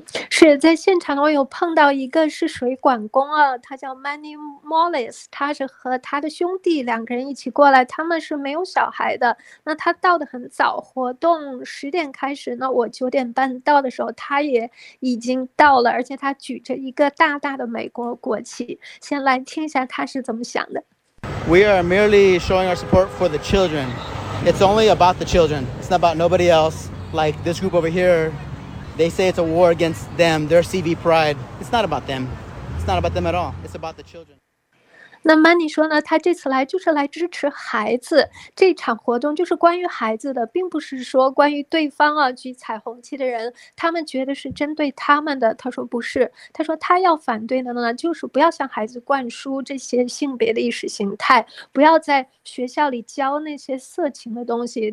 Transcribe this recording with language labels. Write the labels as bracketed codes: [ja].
[zh] 是在现场我有碰到一个是水管工啊，他叫 Manny Mollis， 他是和他的兄弟两个人一起过来，他们是没有小孩的。那他到得很早，活动10点开始，那我9点半到的时候他也已经到了，而且他举着一个大大的美国国旗。先来听一下他是怎么想的。 [en] We are merely showing our support for the children. It's only about the children. It's not about nobody else. Like this group over hereThey say it's a war against them, their CV pride. It's not about them. It's not about them at all. It's about the children. [zh] 那 Manny 说呢，他这次来就是来支持孩子，这场活动就是关于孩子的，并不是说关于对方啊，举彩虹旗的人，他们觉得是针对他们的。他说不是，他说他要反对的呢，就是不要向孩子灌输这些性别的意识形态，不要在学校里教那些色情的东西。